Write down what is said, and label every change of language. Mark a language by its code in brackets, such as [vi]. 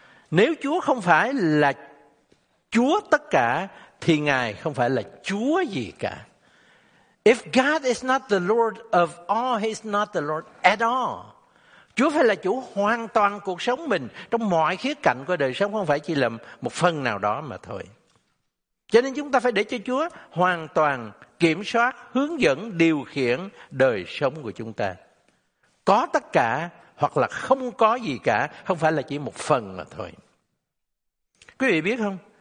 [vi] Nếu Chúa không phải là Chúa tất cả, thì Ngài không phải là Chúa gì cả. [en] If God is not the Lord of all, He is not the Lord at all. [vi] Chúa phải là chủ hoàn toàn cuộc sống mình, trong mọi khía cạnh của đời sống, không phải chỉ là một phần nào đó mà thôi. Cho nên chúng ta phải để cho Chúa hoàn toàn kiểm soát, hướng dẫn, điều khiển đời sống của chúng ta. Có tất cả hoặc là không có gì cả, không phải là chỉ một phần mà thôi. Quý vị biết không?